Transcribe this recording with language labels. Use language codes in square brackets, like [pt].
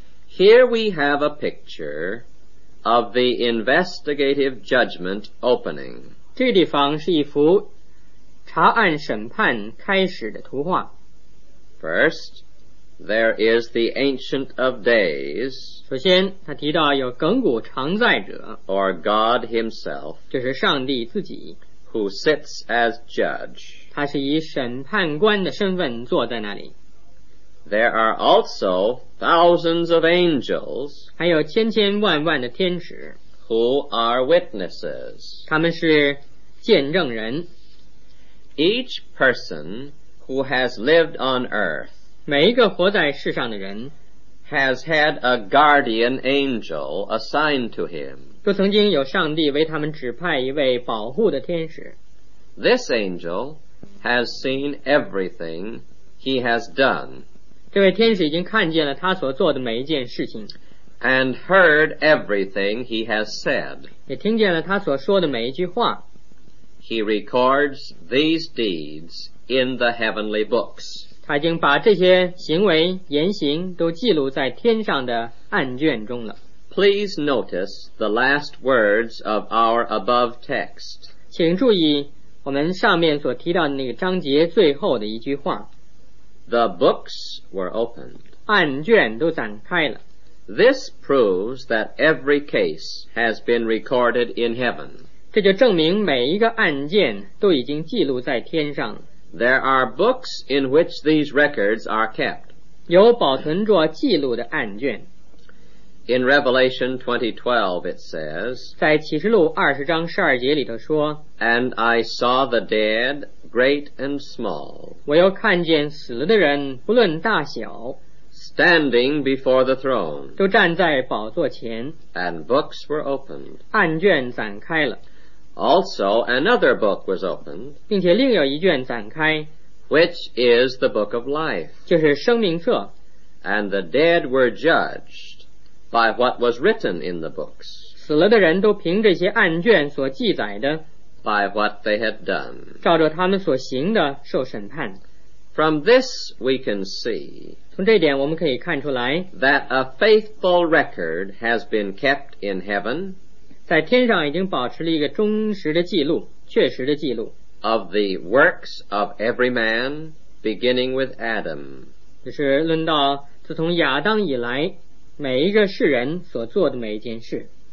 [en] here we have a picture of the investigative judgment opening [zh] 这地方是一幅查案审判开始的图画。 [en] First, there is the Ancient of Days. [zh] 首先，他提到有亘古常在者 [en] ，or God Himself， [zh] 就是上帝自己 [en] ，who sits as judge。 [zh] 他是以审判官的身份坐在那里。 [en] There are also thousands of angels， [zh] 还有千千万万的天使 [en] ，who are witnesses， [zh] 他们是见证人。 [en] Each person who has lived on earth [zh] 每一个活在世上的人 [en] has had a guardian angel assigned to him [zh] 都曾经有上帝为他们指派一位保护的天使 [en] This angel has seen everything he has done [zh] 这位天使已经看见了他所做的每一件事情 [en] and heard everything he has said [zh] 也听见了他所说的每一句话 [en] He records these deeds in the heavenly books. [zh] 他已经把这些行为、言行都记录在天上的案卷中了。 [en] Please notice the last words of our above text. [zh] 请注意我们上面所提到的那个章节最后的一句话。 [en] The books were opened. [zh] 案卷都展开了。 [en] This proves that every case has been recorded in heaven. [zh] 这就证明每一个案件都已经记录在天上。 [en] There are books in which these records are kept. [zh] 有保存着记录的案卷。 [en] In Revelation 20:12 it says, [zh] 在启示录20章12节里头说, [en] And I saw the dead, great and small, [zh] 我又看见死了的人,不论大小, [en] standing before the throne, [zh] 都站在宝座前, [en] and books were opened, [zh] 案卷展开了。 [en] Also another book was opened, [zh] 并且另有一卷展开, [en] which is the book of life, [zh] 就是生命册。 [en] And the dead were judged,by what was written in the books, [zh] 死了的人都凭这些案卷所记载的, [en] by what they had done, [zh] 照着他们所行的受审判。 [en] From this we can see, [zh] 从这点我们可以看出来, [en] that a faithful record has been kept in heaven, [zh] 在天上已经保持了一个忠实的记录, 确实的记录, [en] of the works of every man, beginning with Adam, [zh] 就是论到自从亚当以来每一个世人所做的每一件事。